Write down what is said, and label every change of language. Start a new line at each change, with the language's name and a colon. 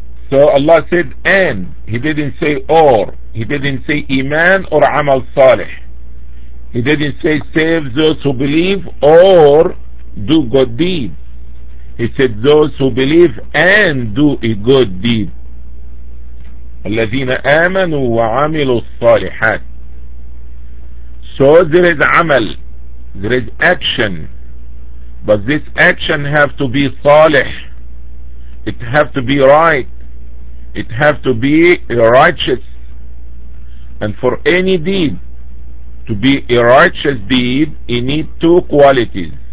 English: So Allah said and, he didn't say or, he didn't say iman or amal salih, he didn't say save those who believe or do good deed, he said those who believe and do a good deed.
Arabic: الذين آمنوا وعملوا الصالحات.
English: So there is amal, there is action, but this action have to be salih, it have to be right, it have to be righteous. And for any deed to be a righteous deed, you need two qualities.